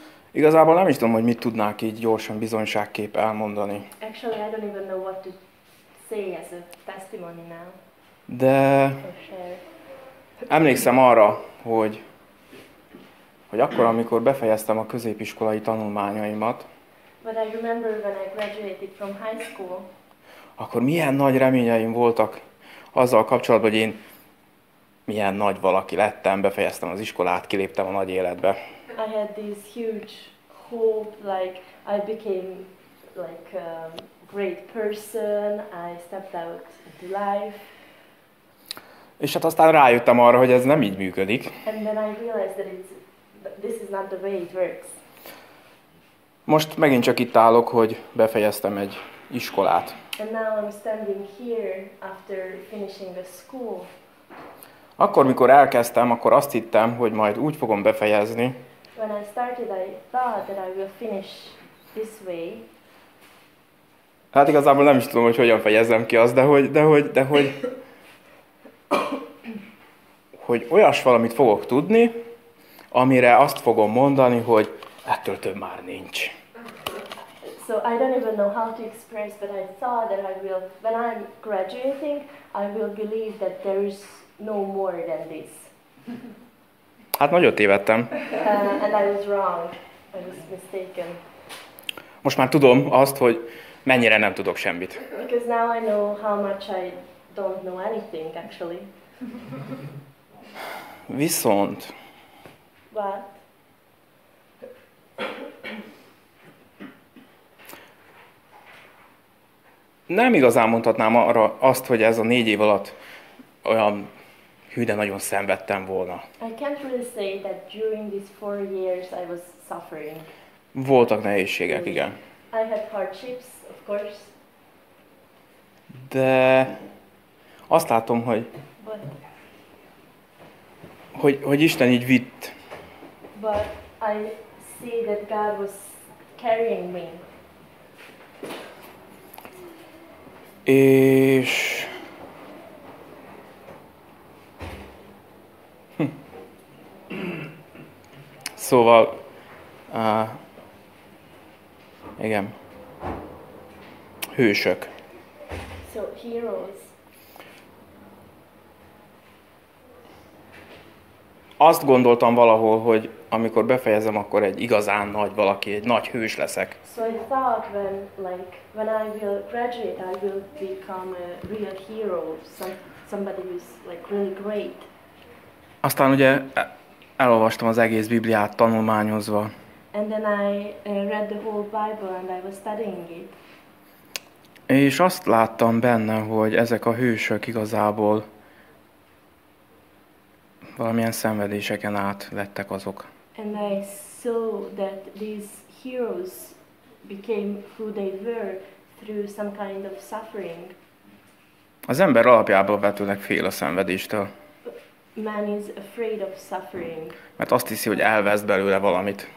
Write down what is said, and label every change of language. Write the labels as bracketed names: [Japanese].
[Hungarian] Igazából nem is tudom, hogy mit tudnák így gyorsan bizonyságképp elmondani. [English] Actually, I don't even know what to say as a testimony now. [Hungarian] De emlékszem arra, hogy akkor, amikor befejeztem a középiskolai tanulmányaimat, [English] but I remember when I graduated from high school, [Hungarian] akkor milyen nagy reményeim voltak azzal kapcsolatban, hogy én milyen nagy valaki lettem, befejeztem az iskolát, kiléptem a nagy életbe. [English] I had this huge hope, like I became like a great person, I stepped out into life. [Hungarian] És hát aztán rájöttem arra, hogy ez nem így működik. [English] And then I realized that it's this is not the way it works. [Hungarian] Most megint csak itt állok, hogy befejeztem egy iskolát. [English] And now I'm standing here after finishing the school. [Hungarian] Akkor, mikor elkezdtem, akkor azt hittem, hogy majd úgy fogom befejezni. [English] When I started, I thought that I will finish this way. [Hungarian] Hát igazából nem is tudom, hogy hogyan fejezem ki azt, de hogy olyas valamit fogok tudni, amire azt fogom mondani, hogy ettől több már nincs. [English] So I don't even know how to express, but I thought that I will, when I'm graduating, I will believe that there is no more than this. [Hungarian] Hát nagyon tévedtem. [English] And I was wrong. I was mistaken. [Hungarian] Most már tudom azt, hogy mennyire nem tudok semmit. [English] Because now I know how much I don't know anything, actually. [Hungarian] Viszont... [English] What? [Hungarian] Nem igazán mondhatnám arra azt, hogy ez a 4 év alatt olyan hűde nagyon szenvedtem volna. [English] I can't really say that during these 4 years I was suffering. [Hungarian] Voltak nehézségek, igen. [English] I had hardships, of course. [Hungarian] De azt látom, hogy hogy Isten így vitt. [English] But I see that God was carrying me. [Hungarian] És szóval igen, hősök. [English] So heroes. [Hungarian] Azt gondoltam valahol, hogy amikor befejezem, akkor egy igazán nagy valaki, egy nagy hős leszek. [English] So I thought when, like, when I will graduate, I will become a real hero, somebody who's like really great. [Hungarian] Aztán ugye elolvastam az egész Bibliát tanulmányozva. [English] And then I read the whole Bible and I was studying it. [Hungarian] És azt láttam benne, hogy ezek a hősök igazából valamilyen szenvedéseken át lettek azok. [English] And I saw that these heroes became who they were through some kind of suffering. [Hungarian] Az ember alapjában vetőleg fél a szenvedéstől. [English] Man is afraid of suffering. [Hungarian] Mert azt hiszi, hogy elveszt belőle valamit.